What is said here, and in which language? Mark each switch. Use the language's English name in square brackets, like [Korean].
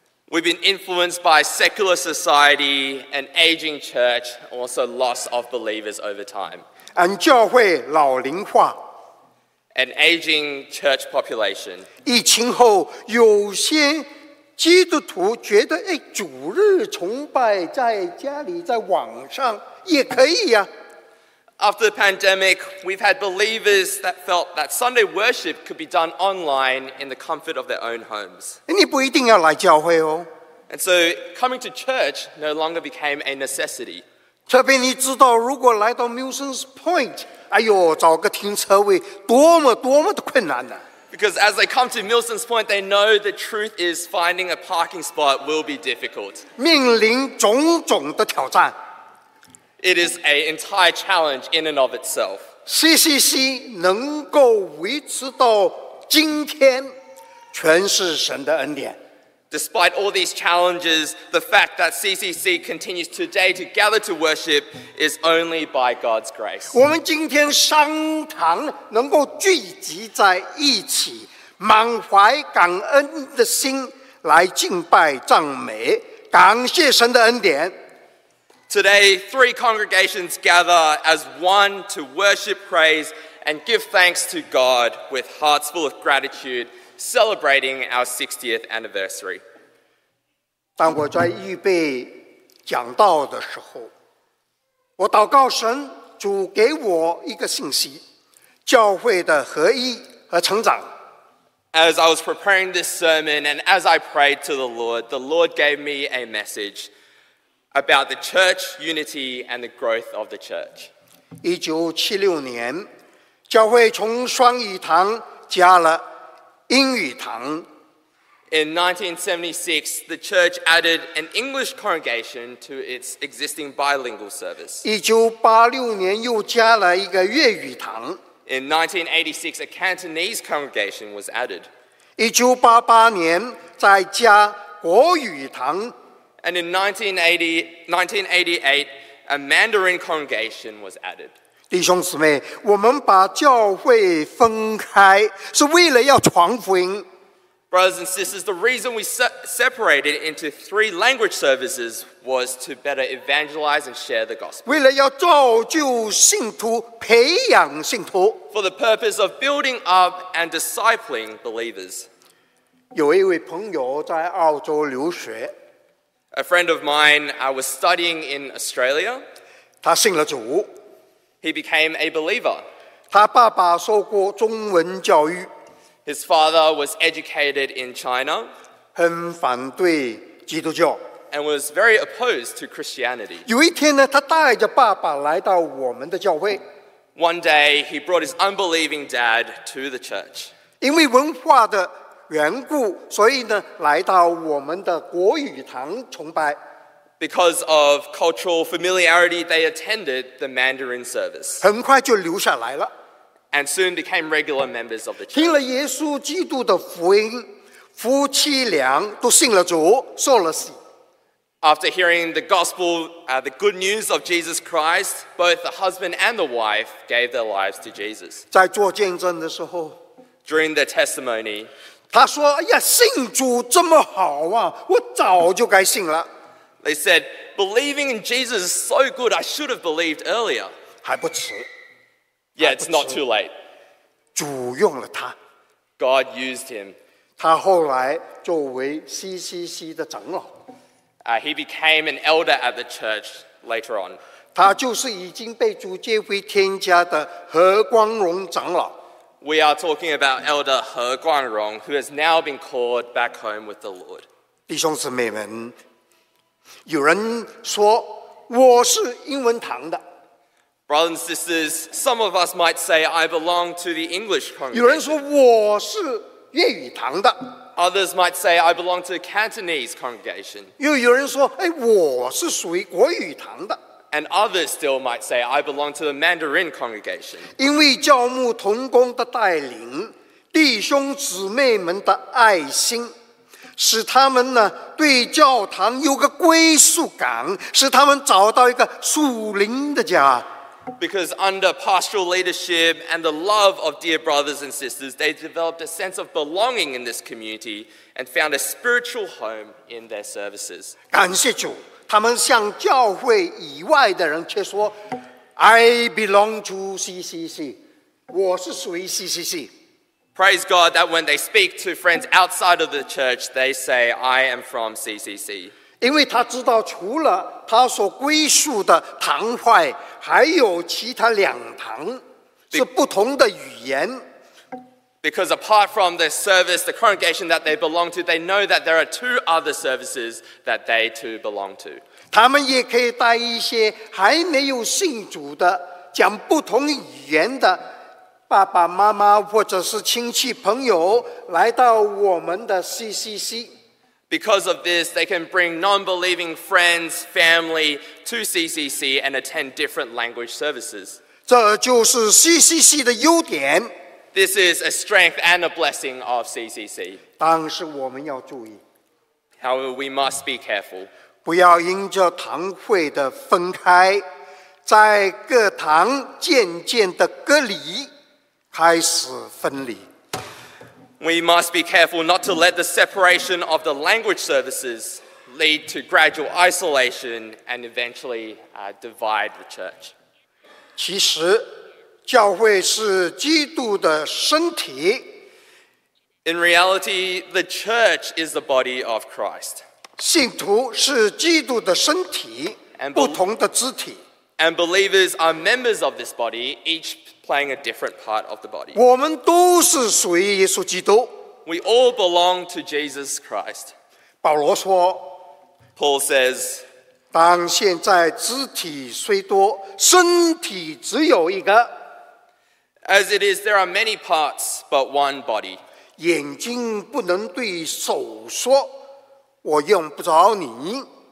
[English] We've been influenced by secular society, an aging church, also loss of believers over time. And [Chinese] 教会老龄化。 [English] An aging church population. [Chinese] 疫情后，有些基督徒觉得，哎，主日崇拜在家里，在网上也可以呀。 [English] After the pandemic, we've had believers that felt that Sunday worship could be done online in the comfort of their own homes. [Chinese] 你不一定要来教会哦。 [English] And so coming to church no longer became a necessity. [Chinese] 特别你知道，如果来到 Milsons Point。哎呦，找个停车位多么多么的困难呢。 [English] Because as they come to Milsons Point, they know the truth is finding a parking spot will be difficult. [Chinese] 面临种种的挑战。 [English] It is an entire challenge in and of itself. [Chinese] CCC 能够维持到今天，全是神的恩典。 [English] Despite all these challenges, the fact that CCC continues today to gather to worship is only by God's grace. [Chinese] 我们今天商堂能够聚集在一起，满怀感恩的心来敬拜赞美，感谢神的恩典。 [English] Today, three congregations gather as one to worship, praise, and give thanks to God with hearts full of gratitude. Celebrating our 60th anniversary. [Chinese] 当我在预备讲道的时候，我祷告神，主给我一个信息，教会的合一和成长。 [English] As I was preparing this sermon and as I prayed to the Lord gave me a message about the church unity and the growth of the church. [Chinese] 1976年，教会从双语堂加了英语堂。 [English] In 1976, the church added an English congregation to its existing bilingual service. [Chinese] 1986年又加了一个粤语堂。 [English] In 1986, a Cantonese congregation was added. [Chinese] 1988年再加国语堂。 [English] And in 1988, a Mandarin congregation was added. [Chinese] 弟兄姊妹，我们把教会分开是为了要传福音。 [English] Brothers and sisters, the reason we separated into three language services was to better evangelize and share the gospel. [Chinese] 为了要造就信徒，培养信徒。 [English] For the purpose of building up and discipling believers. [Chinese] 有一位朋友在澳洲留学。 [English] A friend of mine, I was studying in Australia. [Chinese] 他信了主。 [English] He became a believer. [Chinese] 他爸爸受过中文教育。 [English] His father was educated in China, [Chinese] 很反对基督教, [English] and was very opposed to Christianity. [Chinese] 有一天呢，他带着爸爸来到我们的教会。 [English] One day, he brought his unbelieving dad to the church. [Chinese] 因为文化的缘故，所以呢，来到我们的国语堂崇拜。 [English] Because of cultural familiarity, they attended the Mandarin service. [Chinese] 很快就留下来了。 [English] And soon became regular members of the church. [Chinese] 听了耶稣基督的福音，夫妻俩都信了主，受了洗。 [English] After hearing the gospel, the good news of Jesus Christ, both the husband and the wife gave their lives to Jesus. [Chinese] 在做见证的时候 [English] ，during their testimony, [Chinese] 他说：“哎呀，信主这么好啊，我早就该信了。” [English] They said, "Believing in Jesus is so good. I should have believed earlier." [Chinese] 还不迟。 [English] Yeah, it's not too late. [Chinese] 主用了他。 [English] God used him. [Chinese] 他后来作为 CCC 的长老。 [English] He became an elder at the church later on. [Chinese] 他就是已经被主接回天家的何光荣长老。 [English] We are talking about Elder 何光荣, who has now been called back home with the Lord. [Chinese] 弟兄姊妹们，有人说我是英文堂的。 [English] Brothers and sisters, some of us might say I belong to the English congregation. [Chinese] 有人说我是粤语堂的。 [English] Others might say I belong to the Cantonese congregation. [Chinese] 又有人说，哎，我是属于国语堂的。 [English] And others still might say I belong to the Mandarin congregation. [Chinese] 因为教牧同工的带领，弟兄姊妹们的爱心，使他们呢对教堂有个归属感，使他们找到一个属灵的家。 [English] Because under pastoral leadership and the love of dear brothers and sisters, they developed a sense of belonging in this community and found a spiritual home in their services. [Chinese] 感谢主，他们向教会以外的人却说 [English] I belong to CCC. [Chinese] 我是属于 CCC. [English] Praise God that when they speak to friends outside of the church, they say, I am from CCC. [Chinese] 因为他知道除了他所归属的堂会还有其他两堂是不同的语言。 [English] Because apart from the service, the congregation that they belong to, they know that there are two other services that they too belong to. [Chinese] 他们也可以带一些还没有信主的讲不同语言的爸爸妈妈或者是亲戚朋友来到我们的 CCC。 [English] Because of this, they can bring non-believing friends, family to CCC and attend different language services. [Chinese] 这就是 CCC 的优点。 [English] This is a strength and a blessing of CCC. [Chinese] 但是我们要注意。 [English] However, we must be careful. [Chinese] 不要因着堂会的分开，在各堂渐渐的隔离，开始分离。 [English] We must be careful not to let the separation of the language services lead to gradual isolation and eventually divide the church. [Chinese] 其实，教会是基督的身体。 [English] In reality, the church is the body of Christ. [Chinese] 信徒是基督的身体，不同的肢体。 [English] And believers are members of this body, each playing a different part of the body. [Chinese] 我们都是属于耶稣基督。 [English] We all belong to Jesus Christ. [Chinese] 保罗说 [English] Paul says, [Chinese] 当现在肢体虽多，身体只有一个。 [English] As it is, there are many parts, but one body. [Chinese] 眼睛不能对手说，我用不着你。